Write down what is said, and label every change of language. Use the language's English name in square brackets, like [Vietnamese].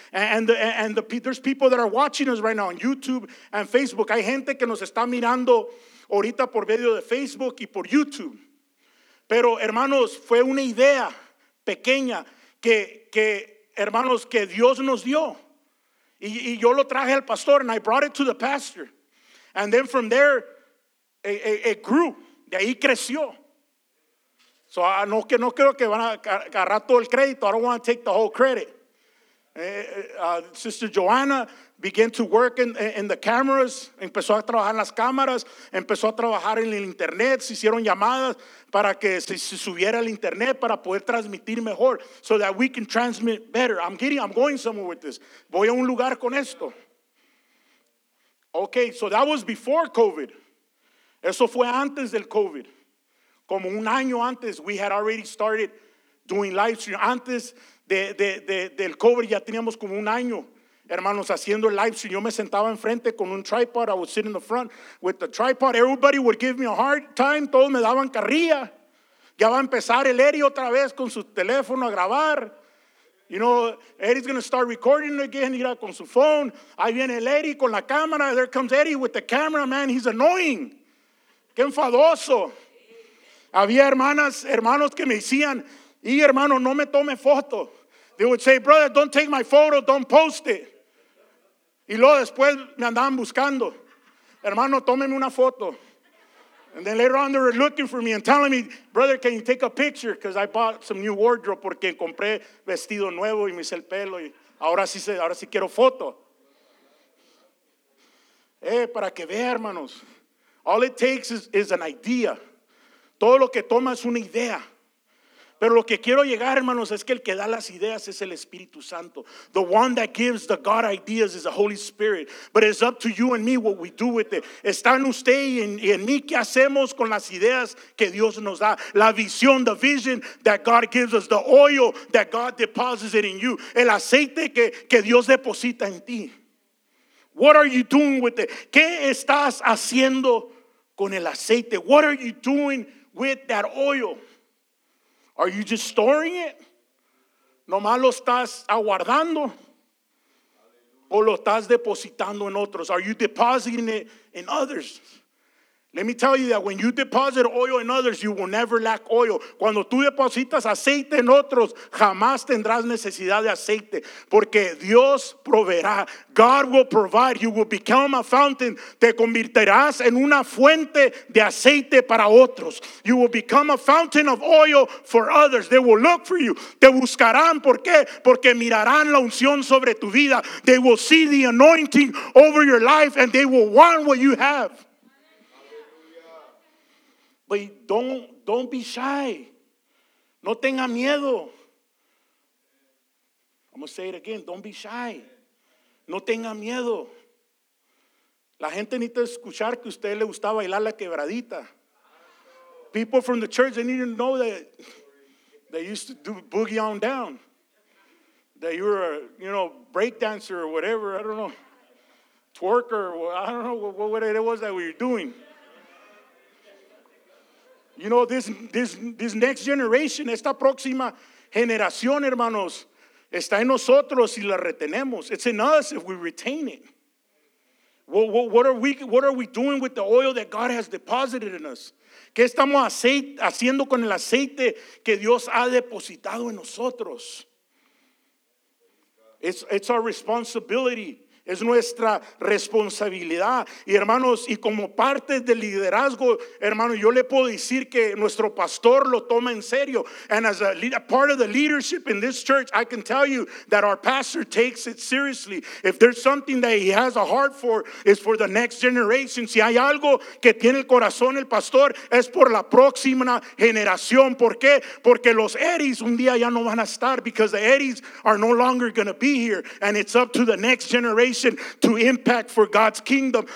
[English] And there's people that are watching us right now on YouTube and Facebook. [Spanish] Hay gente que nos está mirando ahorita por medio de Facebook y por YouTube. Pero, hermanos, fue una idea pequeña que hermanos, que Dios nos dio. Y yo lo traje al pastor, [English] and I brought it to the pastor. And then from there, it grew. [Spanish] De ahí creció. So no, que no creo que van a agarrar todo el crédito. [English] I don't want to take the whole credit. Sister Joanna began to work in the cameras. [Spanish] Empezó a trabajar en las cámaras. Empezó a trabajar en el internet. Se hicieron llamadas para que se subiera el internet para poder transmitir mejor. [English] So that we can transmit better. I'm going somewhere with this. [Spanish] Voy a un lugar con esto. [English] Okay, so that was before COVID. [Spanish] Eso fue antes del COVID. Como un año antes, [English] we had already started doing live stream. [Spanish] Antes del COVID, ya teníamos como un año, hermanos, haciendo live stream. Yo me sentaba enfrente con un tripod. [English] I would sit in the front with the tripod. Everybody would give me a hard time. [Spanish] Todos me daban carrilla. Ya va a empezar el Eri otra vez con su teléfono a grabar. [English] You know, Eddie's going to start recording again. [Spanish] Mira, con su phone. Ahí viene el Eri con la cámara. [English] There comes Eddie with the camera, man. He's annoying. [Spanish] Qué enfadoso. Había hermanos que me decían, y hermano, no me tome foto. [English] They would say, brother, don't take my photo, don't post it. [Spanish] Y luego después me andaban buscando. Hermano, tómeme una foto. [English] And then later on they were looking for me and telling me, brother, can you take a picture? Because I bought some new wardrobe, [Spanish] porque compré vestido nuevo y me hice el pelo. Y ahora sí quiero foto. Para que vea, hermanos. [English] All it takes is an idea. [Spanish] Todo lo que toma es una idea. Pero lo que quiero llegar, hermanos, es que el que da las ideas es el Espíritu Santo. [English] The one that gives the God ideas is the Holy Spirit. But it's up to you and me what we do with it. [Spanish] Está en usted y en mí qué hacemos con las ideas que Dios nos da. La visión, [English] the vision that God gives us. The oil that God deposits it in you. [Spanish] El aceite que Dios deposita en ti. [English] What are you doing with it? [Spanish] ¿Qué estás haciendo con el aceite? [English] What are you doing with that oil? Are you just storing it? [Spanish] ¿Nomás lo estás aguardando? ¿O lo estás depositando en otros? [English] Are you depositing it in others? Let me tell you that when you deposit oil in others, you will never lack oil. [Spanish] Cuando tú depositas aceite en otros, jamás tendrás necesidad de aceite. Porque Dios proveerá. [English] God will provide. You will become a fountain. [Spanish] Te convertirás en una fuente de aceite para otros. [English] You will become a fountain of oil for others. They will look for you. [Spanish] Te buscarán. ¿Por qué? Porque mirarán la unción sobre tu vida. [English] They will see the anointing over your life and they will want what you have. But don't be shy. [Spanish] No tenga miedo. [English] I'm going to say it again. Don't be shy. [Spanish] No tenga miedo. La gente necesita escuchar que a usted le gusta bailar la quebradita. [English] People from the church, they need to know that they used to do boogie on down. That you were a, you know, break dancer or whatever. I don't know. Twerker. I don't know what it was that we were doing. You know, this next generation, [Spanish] esta próxima generación, hermanos, está en nosotros si la retenemos. [English] It's in us if we retain it. What are we doing with the oil that God has deposited in us? [Spanish] ¿Qué estamos haciendo con el aceite que Dios ha depositado en nosotros? [English] It's our responsibility. [Spanish] Es nuestra responsabilidad. Y hermanos, y como parte del liderazgo, hermano, yo le puedo decir que nuestro pastor lo toma en serio. [English] And as a part of the leadership in this church, I can tell you that our pastor takes it seriously. If there's something that he has a heart for, it's for the next generation. [Spanish] Si hay algo que tiene el corazón el pastor, es por la próxima generación. ¿Por qué? Porque los Eddies un día ya no van a estar. [English] Because the Eddies are no longer going to be here. And it's up to the next generation to impact for God's kingdom.